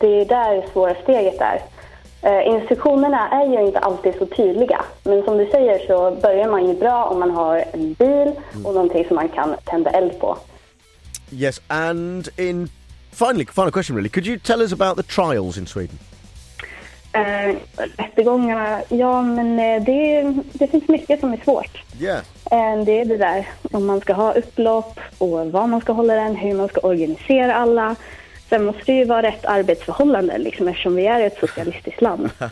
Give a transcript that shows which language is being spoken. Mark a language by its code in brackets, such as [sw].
[sv] Det är där svåra steget är. Instruktionerna är ju inte alltid så tydliga. Men som du säger så börjar man ju bra om man har en bil och någonting som man kan tända eld på. [en] Yes, and in final question really. Could you tell us about the trials in Sweden? [sv] Rättegångarna, ja, men det finns mycket som är svårt. [en] Yeah. [sv] Det är det där, om man ska ha upplopp och var man ska hålla den, hur man ska organisera alla. Sen måste det ju vara rätt arbetsförhållande, liksom, eftersom vi är ett socialistiskt land.